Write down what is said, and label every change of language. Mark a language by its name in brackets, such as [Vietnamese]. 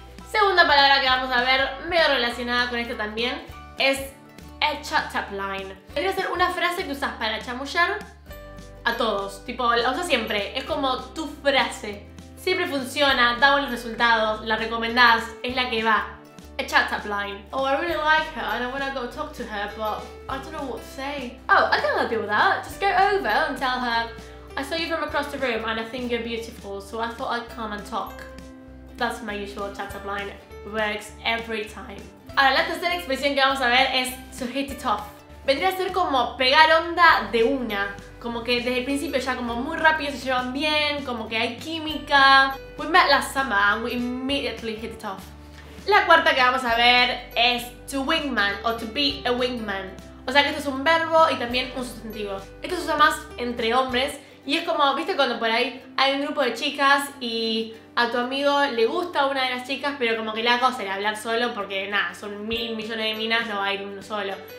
[Spanish] Segunda palabra que vamos a ver, medio relacionada con esto también, es a chat up line. Debería ser una frase que usas para chamullar a todos, tipo, la usas siempre, es como tu frase. Siempre funciona, da buenos resultados, la recomendás, es la que va. [English] A chat up line. Oh, I really like her and I want to go talk to her, but I don't know what to say. Oh, I can help you with that. Just go over and tell her, I saw you from across the room and I think you're beautiful, so I thought I'd come and talk. That's my usual chat up line. Works every time. [Spanish] Ahora, la tercera expresión que vamos a ver es to hit it off. Vendría a ser como pegar onda de una. Como que desde el principio ya como muy rápido se llevan bien, como que hay química. [English] We met last summer and we immediately hit it off. [Spanish] La cuarta que vamos a ver es to wingman o to be a wingman. O sea que esto es un verbo y también un sustantivo. Esto se usa más entre hombres y es como, viste, cuando por ahí hay un grupo de chicas y a tu amigo le gusta una de las chicas, pero como que la cosa era hablar solo porque nada, son mil millones de minas, no va a ir uno solo.